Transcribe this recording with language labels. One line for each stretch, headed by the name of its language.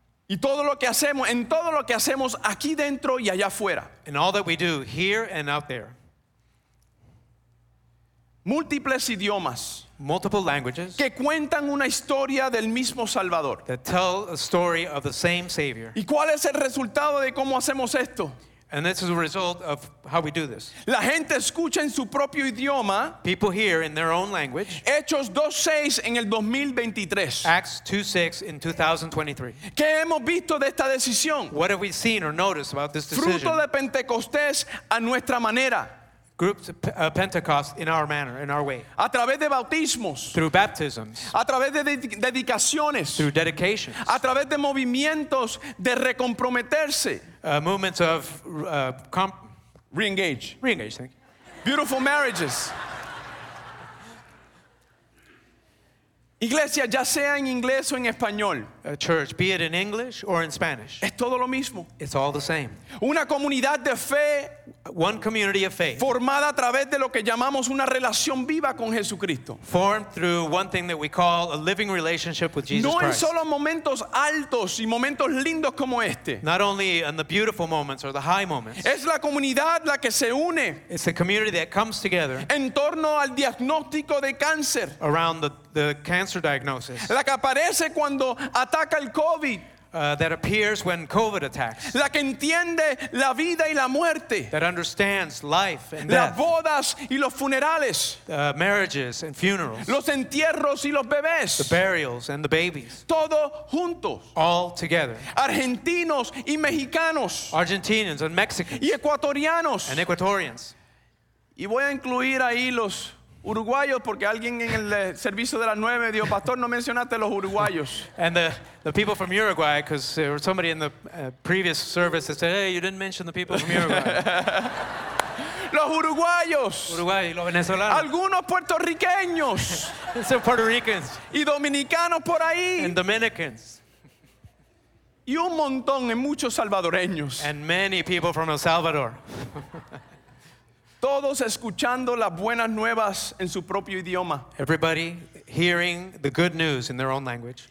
Spanish: Y todo lo que hacemos, en todo lo que hacemos aquí dentro y allá afuera.
English: In all that we do, here and out there.
Spanish: Múltiples idiomas.
English: Multiple languages.
Spanish: Que cuentan una historia del mismo Salvador.
English: That tell a story of the same Savior.
Spanish: ¿Y cuál es el resultado de cómo hacemos esto?
English: And this is a result of how we do this.
Spanish: La gente escucha en su propio idioma.
English: People hear in their own language.
Spanish: Hechos 2:6 en el 2023.
English: Acts 2:6 in 2023.
Spanish: ¿Qué hemos visto de esta decisión?
English: What have we seen or noticed about this decision?
Spanish: Fruto de Pentecostés a nuestra manera.
English: Groups of Pentecost in our manner, in our way.
Spanish: A través de bautismos.
English: Through baptisms.
Spanish: A través de dedicaciones.
English: Through dedications.
Spanish: A través de movimientos de recomprometerse.
English: Movements of re-engage. Re-engage, thank you. Beautiful marriages.
Spanish: Iglesia, ya sea en inglés o en español.
English: A church, be it in English or in Spanish.
Spanish: Es todo lo mismo.
English: It's all the same.
Spanish: Una comunidad de fe.
English: One community of faith.
Spanish: Formada a través de lo que llamamos una relación viva con Jesucristo.
English: Formed through one thing that we call a living relationship with Jesus
Spanish: no
English: Christ.
Spanish: No en solo momentos altos y momentos lindos como este.
English: Not only in the beautiful moments or the high moments.
Spanish: Es la comunidad la que se une.
English: It's the community that comes together.
Spanish: En torno al diagnóstico de cáncer.
English: Around the cancer diagnosis.
Spanish: La que aparece cuando ataca el COVID.
English: That appears when COVID attacks.
Spanish: La que entiende la vida y la muerte.
English: That understands life and
Spanish: las
English: death.
Spanish: Las bodas y los funerales.
English: Marriages and funerals.
Spanish: Los entierros y los bebés.
English: The burials and the babies.
Spanish: Todo juntos.
English: All together.
Spanish: Argentinos y mexicanos.
English: Argentinians and Mexicans.
Spanish: Y ecuatorianos.
English: And Ecuadorians.
Spanish: Y voy a incluir ahí los uruguayos porque alguien en el servicio de las 9 dijo pastor no mencionaste los uruguayos.
English: And the people from Uruguay because there was somebody in the previous service that said hey you didn't mention the people from Uruguay.
Spanish: Los uruguayos. Uruguay, los venezolanos. Algunos puertorriqueños.
English: Some Puerto Ricans.
Spanish: Y dominicanos por ahí.
English: And Dominicans.
Spanish: Y un montón en muchos salvadoreños.
English: And many people from El Salvador.
Spanish: Todos escuchando las buenas nuevas en su propio idioma.
English: Everybody hearing the good news in their own language.